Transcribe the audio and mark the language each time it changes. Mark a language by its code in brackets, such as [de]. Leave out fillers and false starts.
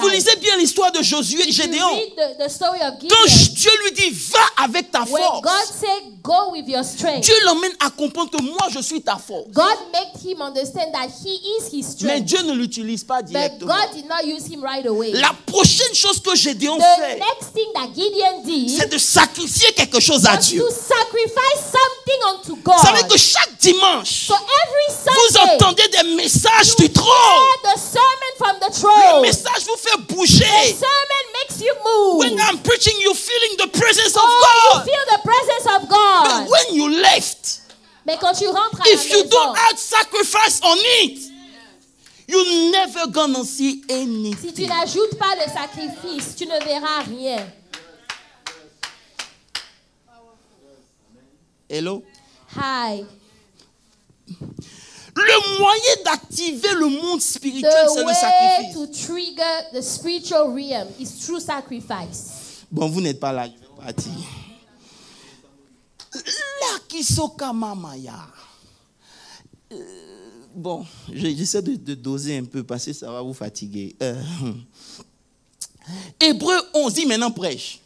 [fr] Vous lisez bien l'histoire de Josué et Gédéon, quand Dieu lui dit va avec ta [en] when [fr] force, [en] God said, go with your strength, [fr] Dieu l'emmène à comprendre que moi je suis ta force. [en] God made him understand that he is his strength. [fr] Mais Dieu ne l'utilise pas directement. [en] But God did not use him right away. [fr] La prochaine chose que Gédéon [en] the [fr] fait, [en] next thing that Gideon did, [fr] c'est de sacrifier quelque chose à Dieu. [en] To sacrifice something unto God. [fr] Ça veut dire que chaque dimanche, [en] so every Sunday, [fr] vous entendez des messages du trône. [en] The sermon from the throne. [fr] Le message vous fait bouger. [en] The sermon makes you move. When I'm preaching, you're feeling the presence of God. You feel the presence of God. But when you left, [fr] mais quand tu rentres à [en] if [fr] la [en] you [fr] maison, [en] don't add sacrifice on it, you're never gonna see anything. [fr] Si tu n'ajoutes pas le sacrifice, tu ne verras rien. [en] Hello. Hi. [fr] Le moyen d'activer le monde spirituel, [en] the [fr] c'est [en] way [fr] le sacrifice. [en] To trigger the spiritual realm is through sacrifice. [fr] Bon, vous n'êtes pas là, je vais partir. [ln] La kisoka mamaya. [fr] Bon, j'essaie de doser un peu parce que ça va vous fatiguer. Hébreux 11, dis maintenant prêche.